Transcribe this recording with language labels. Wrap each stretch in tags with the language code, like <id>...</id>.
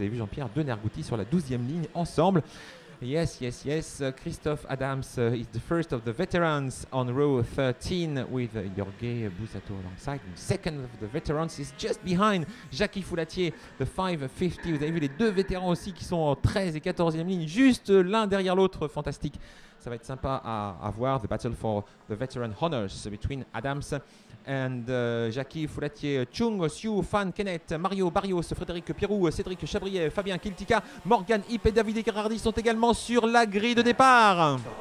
<fr>Vous avez vu Jean-Pierre de Nergouti sur la 12e ligne ensemble.</fr> <en>Yes. Christophe Adams is the first of the veterans on row 13 with Jorge Busato alongside. And second of the veterans is just behind Jackie Foulatier, the 550.</en> <fr>Vous avez vu les deux vétérans aussi qui sont en 13 et 14e ligne, juste l'un derrière l'autre. Fantastique. Ça va être sympa à voir,</fr> <en>the battle for the veteran honors between Adams and</en> <fr>Jackie Foulatier, Chung, Siu, Fan, Kenneth, Mario, Barrios, Frédéric Pirou, Cédric Chabrier, Fabien Kiltika, Morgan, Ip et David Gerardi sont également sur la grille de départ.</fr>